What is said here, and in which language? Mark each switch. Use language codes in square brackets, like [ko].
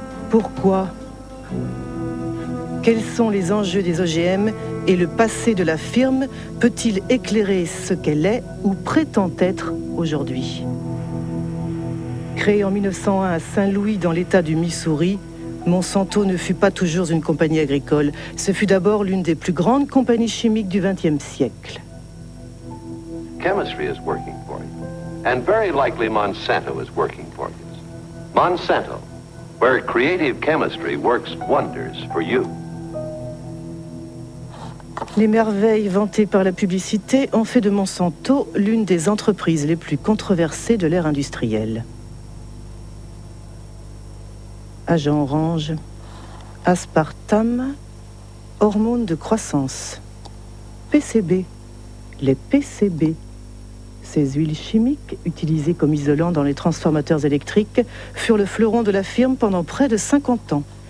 [fr] Pourquoi ? Quels sont les enjeux des OGM et le passé de la firme peut-il éclairer ce qu'elle est ou prétend être aujourd'hui ? Créée en 1901 à Saint-Louis dans l'État du Missouri, Monsanto ne fut pas toujours une compagnie agricole. Ce fut d'abord l'une des plus grandes compagnies chimiques du XXe siècle. [en] Chemistry is working for you. And very likely Monsanto is working for you. Monsanto, where creative chemistry works wonders for you. [fr] Les merveilles vantées par la publicité ont fait de Monsanto l'une des entreprises les plus controversées de l'ère industrielle. Agent orange, aspartame, hormone de croissance, PCB, les PCB, ces huiles chimiques utilisées comme isolants dans les transformateurs électriques, furent le fleuron de la firme pendant près de 50 ans.